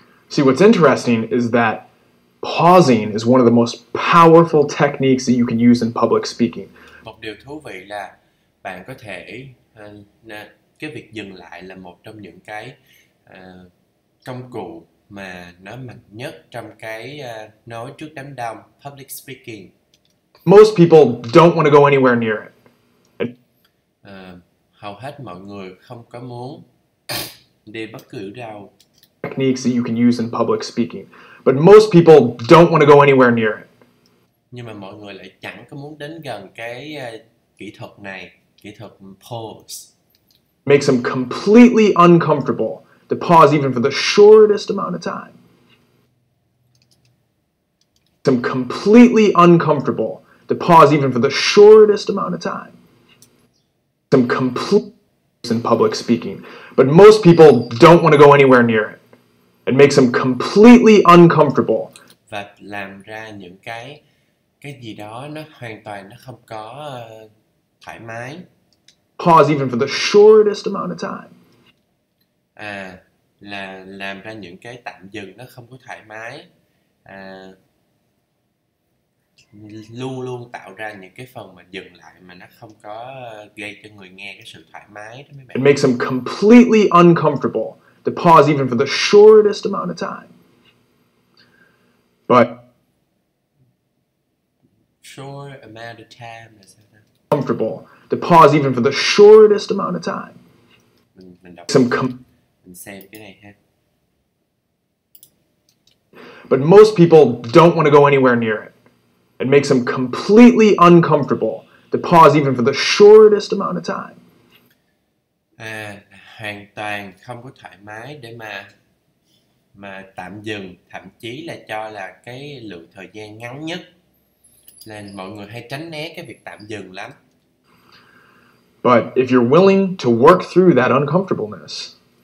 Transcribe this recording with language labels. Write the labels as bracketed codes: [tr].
[en] See, what's interesting is that pausing is one of the most powerful techniques that you can use in public speaking. [vi] Một điều thú vị là bạn có thể cái việc dừng lại là một trong những cái công cụ mà nó mạnh nhất trong cái nói trước đám đông, [en] public speaking. Most people don't want to go anywhere near it. [vi] Hầu hết mọi người không có muốn đi bất cứ đâu. [en] Techniques that you can use in public speaking. But most people don't want to go anywhere near it. [vi] Nhưng mà mọi người lại chẳng có muốn đến gần cái kỹ thuật này, kỹ thuật pause. [en] Makes them completely uncomfortable to pause even for the shortest amount of time. Makes them completely uncomfortable to pause even for the shortest amount of time. Some complete in public speaking, but most people don't want to go anywhere near it. It makes them completely uncomfortable. [vi] Và làm ra những cái gì đó nó hoàn toàn nó không có thoải mái. [en] Pause even for the shortest amount of time. [vi] À, là làm ra những cái tạm dừng nó không có thoải mái. Luôn luôn tạo ra những cái phần mà dừng lại mà nó không có gây cho người nghe cái sự thoải mái đó mấy bạn. [en] It makes them completely uncomfortable to pause even for the shortest amount of time. But short amount of time is comfortable to pause even for the shortest amount of time. [vi] Mình đọc some mình xem cái này ha. [en] But most people don't want to go anywhere near it. It makes them completely uncomfortable to pause even for the shortest amount of time. [vi] À, hoàn toàn không có thoải mái để mà tạm dừng, thậm chí là cho là cái lượng thời gian ngắn nhất. Là mọi người hay tránh né cái việc tạm dừng lắm. [en] But if you're willing to work through that uncomfortableness.